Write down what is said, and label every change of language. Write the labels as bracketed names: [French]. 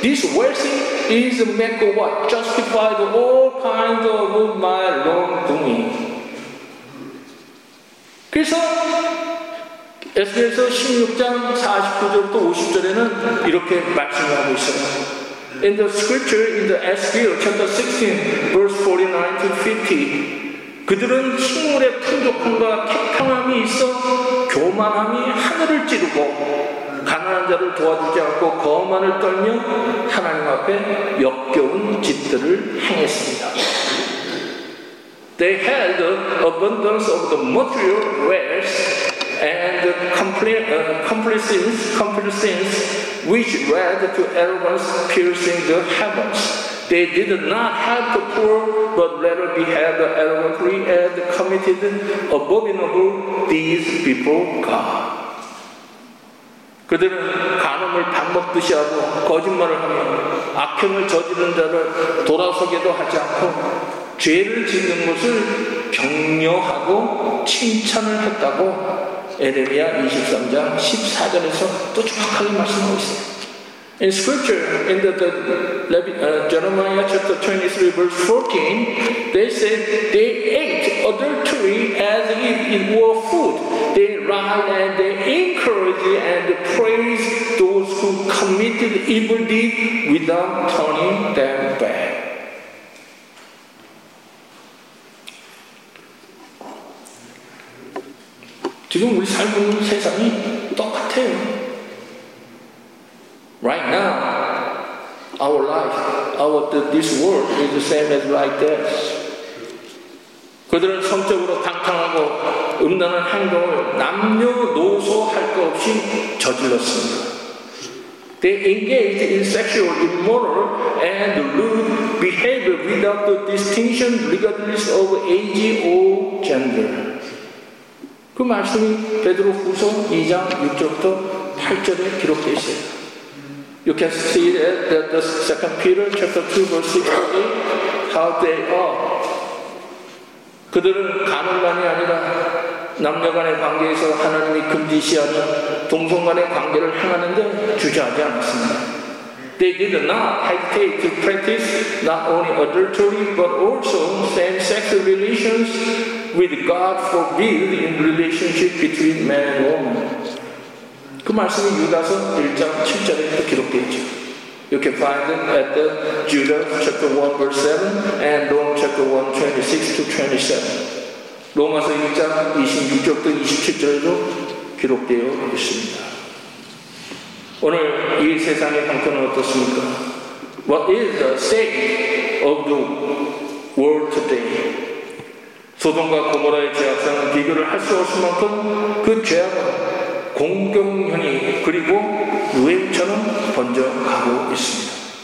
[English] This wealth is make of what? Justified all kinds of my wrongdoing. [Korean] 그래서 에스겔서 16장 49절부터 50절에는 이렇게 말씀을 하고 있어요. [English] In the scripture, in the Ezekiel chapter 16, verse 49 to 50, [Korean] 그들은 식물의 풍족함과 태평함이 있어 교만함이 하늘을 찌르고 가난한 자를 도와주지 않고 거만을 떨며 하나님 앞에 역겨운 짓들을 행했습니다. [English] They had the abundance of the material wealth and complacence which led to arrogance piercing the heavens. They did not help the poor, but rather behaved arrogantly and committed abominable deeds before God. [Korean] 그들은 간음을 밥 먹듯이 하고 거짓말을 하며 악행을 저지른 자를 돌아서게도 하지 않고 죄를 짓는 것을 격려하고 칭찬을 했다고 에레미야 23장 14절에서 또 정확하게 말씀하고 있어요. [English] In scripture, in Jeremiah chapter 23 verse 14, they said they ate adultery as if it were food. They lied and they encouraged and praised those who committed evil deeds without turning them back. [Korean] 지금 우리 살고 있는 세상이 똑같아요. [English] Right now, our life, this world is the same as like this. [Korean] 그들은 성적으로 당당하고 음란한 행동을 남녀노소 할 것 없이 저질렀습니다. [English] They engaged in sexual, immoral, and lewd behavior without the distinction regardless of age or gender. [Korean] 그 말씀이 베드로 후서 2장 6절부터 8절에 기록되어 있어요. [English] You can see that, the second Peter chapter 2 verse 16 how they are. [Korean] 그들은 간음만이 아니라 남녀간의 관계에서 하나님이 금지시하는 동성간의 관계를 행하는 데 주저하지 않았습니다. [English] They did not hesitate to practice not only adultery, but also same-sex relations with God forbid in relationship between man and woman. [Korean] 그 말씀이 유다서 1장 7절에 기록되어 있죠. [English] You can find it at the Judah chapter 1 verse 7 and Rome chapter 1 26 to 27. [Korean] 로마서 1장 26절부터 27절에도 기록되어 있습니다. 오늘 이 세상의 형편은 어떻습니까? [English] What is the state of the world today? [Korean] 소돔과 고모라의 죄악상은 비교를 할 수 없을 만큼 그 죄악은 공경현이 그리고 유행처럼 번져가고 있습니다.